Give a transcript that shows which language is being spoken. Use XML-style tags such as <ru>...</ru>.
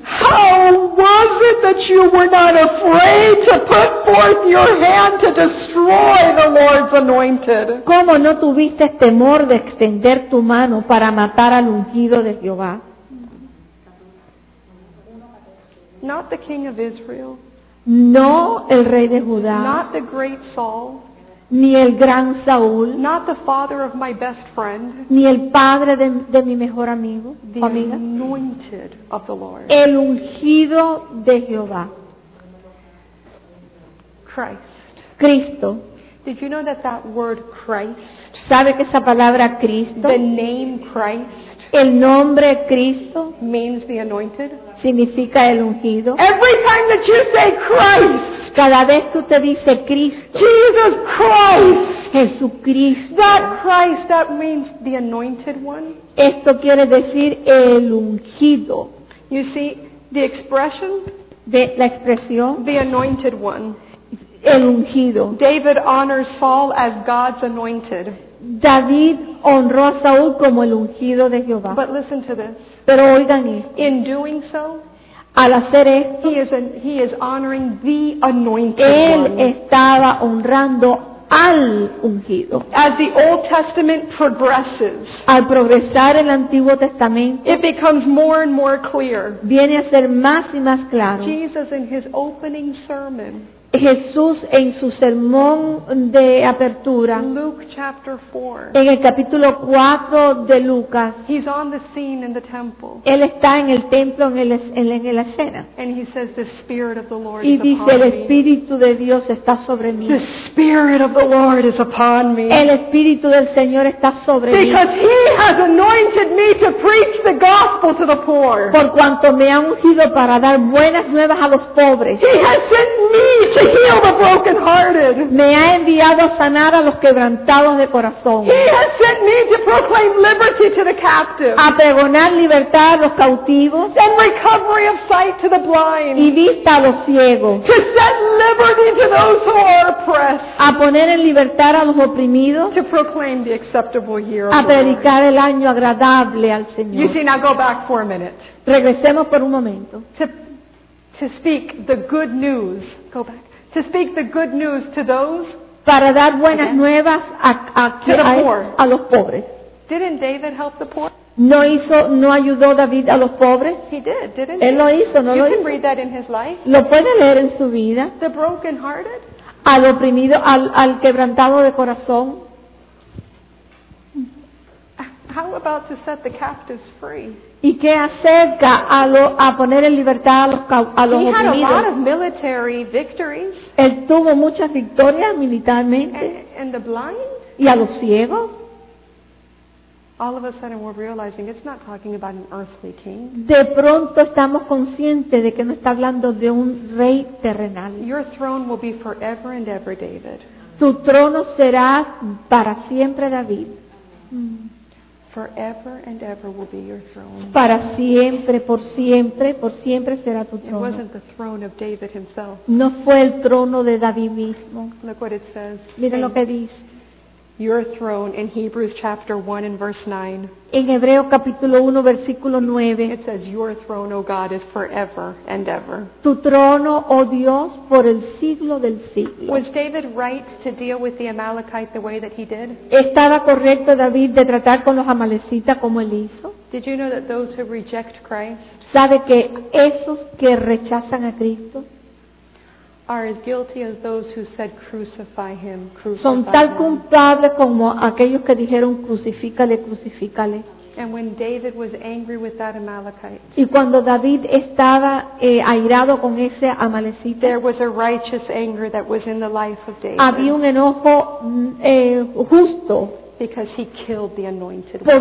<en>How was it that you were not afraid to put forth your hand to destroy the Lord's anointed?</en> <es>¿Cómo no tuviste temor de extender tu mano para matar al ungido de Jehová?</es> <en>Not the king of Israel.</en> <es>No el rey de Judá.</es> <en>Not the great Saul.</en> <es>Ni el gran Saúl.</es> <en>Not the father of my best friend.</en> <es>Ni el padre de mi mejor amigo.</es> <en>The</en> <es>amiga.</es> <en>Anointed of the Lord.</en> <es>El ungido de Jehová.</es> <en>Christ.</en> <es>Cristo.</es> <en>Did you know that that word Christ?</en> <es>¿Sabe que esa palabra Cristo?</es> <en>The name Christ.</en> <es>El nombre Cristo</es> <en>means the anointed.</en> <es>Significa el ungido.</es> <en>Every time that you say Christ,</en> <es>cada vez que usted dice Cristo,</es> <en>Jesus Christ,</en> <es>Jesucristo,</es> <en>that Christ, that means the anointed one.</en> <es>Esto quiere decir el ungido.</es> <en>You see the expression,</en> <es>la expresión,</es> <en>the anointed one,</en> <es>el ungido.</es> <en>David honors Saul as God's anointed.</en> <es>David honró a Saúl como el ungido de Jehová.</es> <en>But listen to this.</en> <es>Pero oigan esto.</es> <en>In doing so,</en> <es>al hacer esto,</es> <en>he is honoring the anointed one.</en> <es>Él estaba honrando al ungido.</es> <en>As the Old Testament progresses,</en> <es>al progresar el Antiguo Testamento,</es> <en>it becomes more and more clear.</en> <es>Viene a ser más y más claro.</es> <en>Jesus in his opening sermon.</en> <es>Jesús en su sermón de apertura,</es> <en>Luke chapter 4,</en> <es>en el capítulo 4 de Lucas,</es> <en>he's on the scene in the temple,</en> <es>él está en el templo, en la escena,</es> <en>and he says, the Spirit of the Lord</en> <es>y dice, el Espíritu de Dios está sobre mí.</es> <en>The Spirit of the Lord is upon me.</en> <es>El Espíritu del Señor está sobre</es> <en>Because</en> <es>mí.</es> <en>He has anointed me to preach the gospel to the poor.</en> <es>Por cuanto me ha ungido para dar buenas nuevas a los pobres.</es> <en>He has sent me to heal the brokenhearted.</en> <es>Me ha enviado a sanar a los quebrantados de corazón.</es> <en>He has sent me to proclaim liberty to the captive.</en> <es>A pregonar libertad a los cautivos.</es> <en>And recovery of sight to the blind.</en> <es>Y vista a los ciegos.</es> <en>To set liberty to those who are oppressed.</en> <es>A poner en libertad a los oprimidos.</es> <en>To proclaim the acceptable year of</en> <es>A predicar el año agradable al Señor.</es> <en>You see, now go back for a minute.</en> <es>Regresemos por un momento.</es> <en>To speak the good news. Go back. To speak the good news to those.</en> <es>Para dar buenas nuevas a los pobres.</es> <en>Didn't David help the poor?</en> <es>No ayudó David a los pobres.</es> <en>He did, didn't</en> <es>Él</es> <en>he?</en> <es>Lo hizo, no</es> <en>you</en> <es>lo</es> <en>can</en> <es>hizo.</es> <en>Read that in his life.</en> <es>Lo puede leer en su vida.</es> <en>The brokenhearted.</en> <es>Al oprimido, al quebrantado de corazón.</es> <en>how about to set the captives free?</en> <es>¿Y qué acerca a poner en libertad a los oprimidos?</es> <en>He had a lot of military victories.</en> <es>Él tuvo muchas victorias militarmente.</es> <en>And the blind?</en> <es>¿Y a los ciegos?</es> <en>All of a sudden we're realizing it's not talking about an earthly king.</en> <es>De pronto estamos conscientes de que no está hablando de un rey terrenal.</es> <en>Your throne will be forever and ever, David.</en> <es>Tu trono será para siempre, David.</es> <en>Forever and ever will be your throne.</en> <es>Para siempre, por siempre, por siempre será tu trono.</es> <en>It wasn't the throne of David himself.</en> <es>No fue el trono de David mismo.</es> <en>Look what it says.</en> <es>Miren lo que dice.</es> <en>Your throne in Hebrews chapter 1 and verse 9.</en> <es>En Hebreo capítulo 1 versículo 9.</es> <en>It says your throne, O God, is forever and ever.</en> <es>Tu trono, oh Dios, por el siglo del siglo.</es> <en>Was David right to deal with the Amalekite the way that he did?</en> <es>¿Estaba correcto David de tratar con los amalecitas como él hizo?</es> <en>Did you know that those who reject Christ?</en> <es>¿Sabe que esos que rechazan a Cristo</es> <en>are as guilty as those who said, "Crucify him, crucify him"?</en> <es>Son tan culpables como aquellos que dijeron, crucifícale, crucifícale.</es> <en>And when David was angry with that Amalekite,</en> <es>y cuando David estaba airado con ese amalecite,</es> <en>there was a righteous anger that was in the life of David.</en> <es>Había un enojo justo,</es> <en>because he killed the anointed one.</en>